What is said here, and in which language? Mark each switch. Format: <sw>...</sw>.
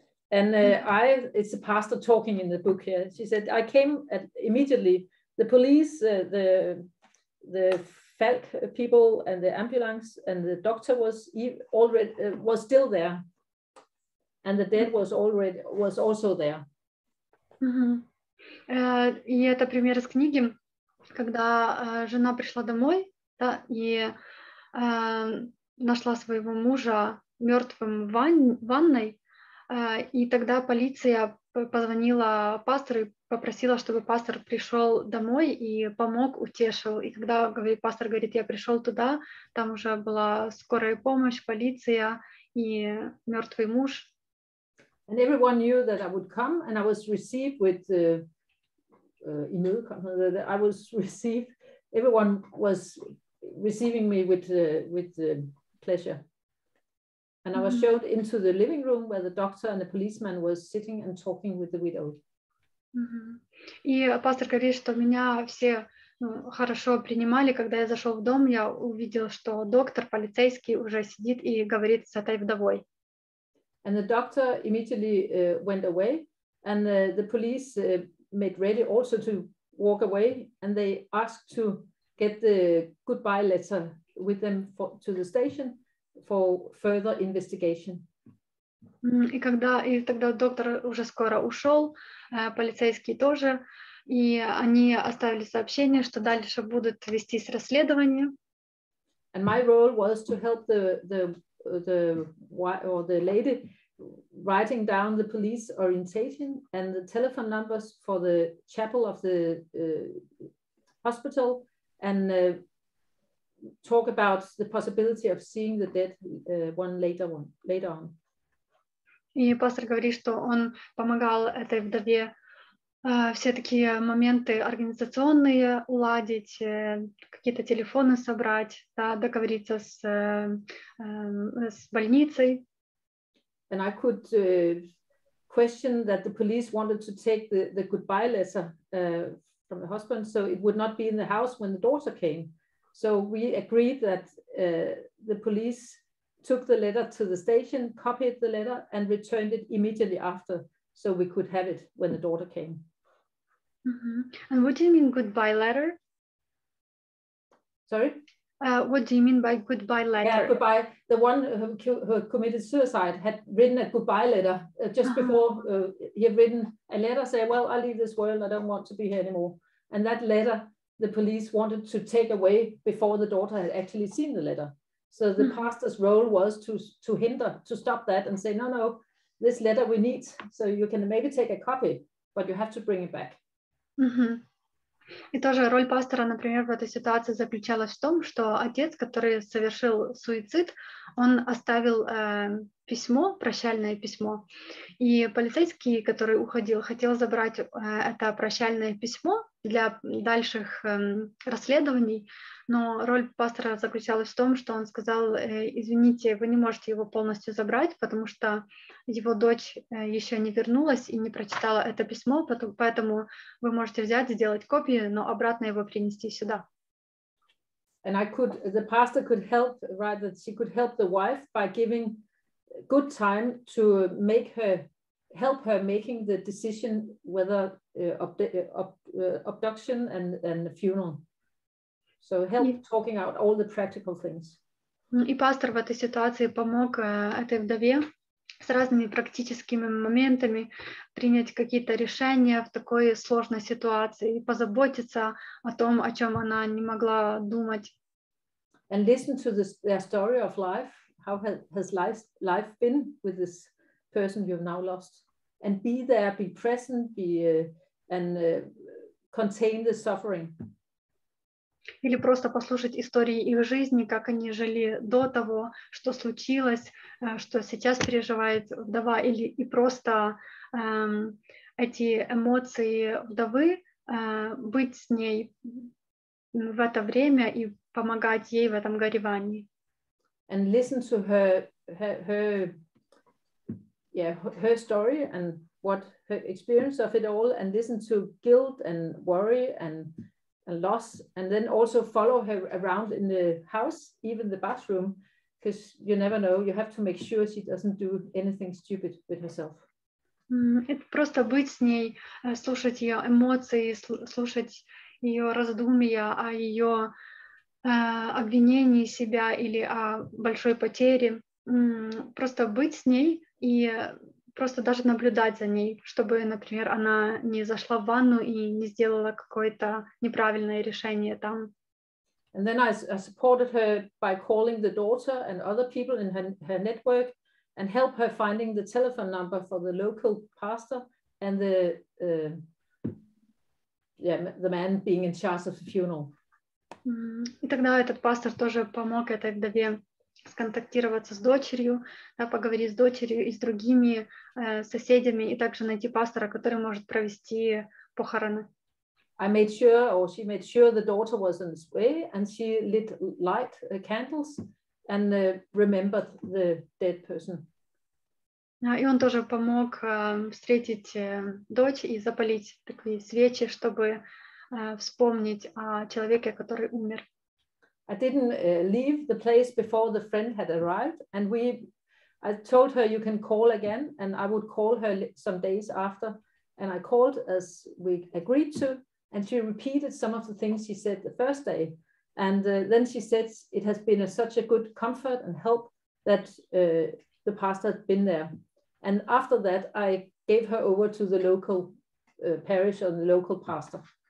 <en>And it's the pastor talking in the book here. She said, "I came immediately. The police, the Falk people, and the ambulance, and the doctor was still there, and the dead was also there."</en> <ru>И это пример из книги, когда жена пришла домой, да, и нашла своего мужа мертвым в ванной. И тогда полиция позвонила пастору и попросила, чтобы пастор пришел домой и помог, утешил. И когда пастор говорит, я пришел туда, там уже была скорая помощь, полиция и мертвый муж.</ru> <en>And everyone knew that I would come, and I was received with everyone was receiving me with pleasure. And I was shown into the living room where the doctor and the policeman was sitting and talking with the widow.</en> <ru>И пастор говорит, что меня все хорошо принимали. Когда я зашел в дом, я увидел, что доктор, полицейский уже сидит и говорит с этой вдовой.</ru> <en>And the doctor immediately went away, and the police made ready also to walk away, and they asked to get the goodbye letter with them to the station for further investigation.</en> <ru>И тогда доктор уже скоро ушел, полицейский тоже, и они оставили сообщение, что дальше будут вестись расследования.</ru> <en>And my role was to help the lady writing down the police orientation and the telephone numbers for the chapel of the hospital and talk about the possibility of seeing the dead later on.</en> <ru>И пастор говорит, что он помогал этой вдове все такие моменты организационные уладить, какие-то телефоны собрать, да, договориться с больницей.</ru> <en>And I could question that the police wanted to take the goodbye letter from the husband, so it would not be in the house when the daughter came. So we agreed that the police took the letter to the station, copied the letter, and returned it immediately after, so we could have it when the daughter came. Mm-hmm. And what do you mean goodbye letter? Sorry? What do you mean by goodbye letter? Yeah, goodbye. The one who committed suicide had written a goodbye letter just before he had written a letter saying, well, I leave this world, I don't want to be here anymore. And that letter, the police wanted to take away before the daughter had actually seen the letter. So the pastor's role was to hinder, to stop that and say, no, this letter we need, so you can maybe take a copy, but you have to bring it back. Mm-hmm.</en> <ru>И тоже роль пастора, например, в этой ситуации заключалась в том, что отец, который совершил суицид, он оставил письмо, прощальное письмо. И полицейский, который уходил, хотел забрать это прощальное письмо для дальших расследований, но роль пастора заключалась в том, что он сказал, извините, вы не можете его полностью забрать, потому что его дочь еще не вернулась и не прочитала это письмо, поэтому вы можете взять, сделать копию, но обратно его принести сюда.</ru> <en>And the pastor could help, right, that she could help the wife by giving good time to make her help her making the decision whether abduction and the funeral. So help talking out all the practical things.</en> <ru>И пастор в этой ситуации помог этой вдове с разными практическими моментами принять какие-то решения в такой сложной ситуации и позаботиться о том, о чем она не могла думать.</ru> <en>And listen to the story of life. How has life been with this person you have now lost? And be there, be present, contain the suffering.</en> <ru>Или просто послушать истории их жизни, как они жили до того, что случилось, что сейчас переживает вдова, или и просто эти эмоции вдовы, быть с ней в это время и помогать ей в этом горевании.</ru> <en>And listen to her story and what her experience of it all, and listen to guilt and worry and loss, and then also follow her around in the house, even the bathroom, because you never know, you have to make sure she doesn't do anything stupid with herself.</en> <ru>Это просто быть с ней, слушать ее эмоции, слушать ее раздумья о ее обвинении себя или о большой потере. Просто быть с ней и просто даже наблюдать за ней, чтобы, например, она не зашла в ванну и не сделала какое-то неправильное решение там.</ru> <en>And then I supported her by calling the daughter and other people in her network and help her finding the telephone number for the local pastor and the man being in charge of the funeral.</en> <ru>И тогда этот пастор тоже помог этой вдове сконтактироваться с дочерью, да, поговорить с дочерью и с другими соседями, и также найти пастора, который может провести похороны.</ru> <en>I made sure, or she made sure the daughter was in this way, and she lit light candles and remembered the dead person.</en> <ru>И он тоже помог встретить дочь и запалить такие свечи, чтобы вспомнить о человеке, который умер.</ru> <en>I didn't leave the place before the friend had arrived, and I told her you can call again, and I would call her some days after, and I called as we agreed to, and she repeated some of the things she said the first day, and then she said it has been such a good comfort and help that the pastor had been there, and after that I gave her over to the local parish or the local pastor.</en>